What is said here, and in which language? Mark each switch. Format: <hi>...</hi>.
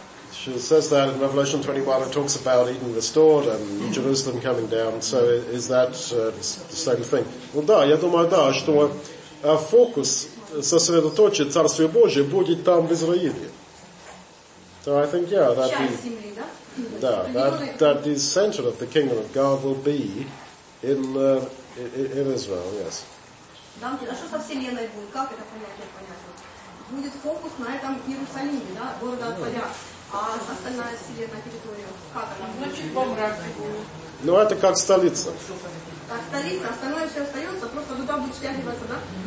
<en>She says that in Revelation 21 it talks about Eden restored and Jerusalem coming down. So is that the same thing?</en> <ru>Well, да, я думаю, да, что фокус сосредоточен Царствие Божие будет там в Израиле.</ru> <en>So I think, yeah, that the that the center of the kingdom of God will be in Israel. Yes.</en> <ru>А что со Вселенной будет? Как это понять? Будет фокус на этом Иерусалиме, да, города от поля, а остальная вселенная территория, как она? Значит, по мраке будет. Ну, это как столица. Как столица, остальное все остается, просто туда будет стягиваться, да?</ru>